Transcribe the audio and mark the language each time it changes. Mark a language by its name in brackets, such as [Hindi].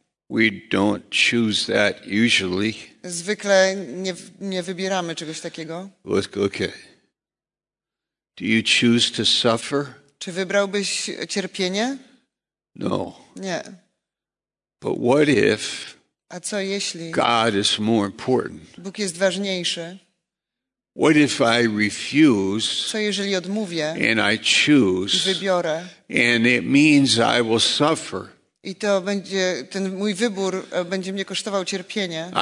[English] We don't choose that usually. [Polish] Zwykle nie wybieramy czegoś takiego. [English] Okay. Do you choose to suffer? [Polish] Czy wybrałbyś cierpienie? [English] No. [Polish] Nie. [English] But what if? [Polish] A co jeśli? [English] God is more important. [Polish] Bóg jest ważniejszy. [English] What if I refuse? [Polish] Co jeżeli odmówię? [English] And I choose. [Polish] I wybiorę. [English] And it means I will suffer. [Polish] I to będzie ten mój wybór będzie mnie kosztował cierpienie.